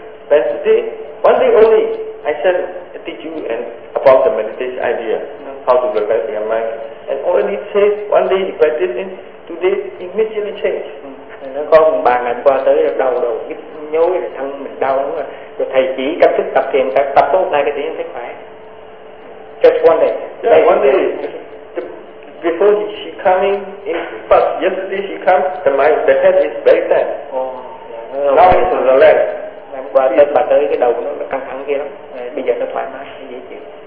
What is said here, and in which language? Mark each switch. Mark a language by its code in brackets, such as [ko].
[en] Then today, one day only, I said, I teach you and about the meditation idea, how to relax your mind. And already says, one day he practiced and today immediately changed. [vi] Nó có một bà ngày qua tới đầu đầu nhức nhối là thân mình đau lắm rồi thầy chỉ cách thức tập thiền tập tốt này cái tiếng thấy khỏe. [en] Just one day. Yeah, like one day. Before she coming, but yesterday she come, the head is very tight. Oh, yeah. Now it's relaxed. [vi] Và tới bà tới cái đầu của nó căng thẳng kia lắm, bây giờ nó thoải mái, nó dễ chịu.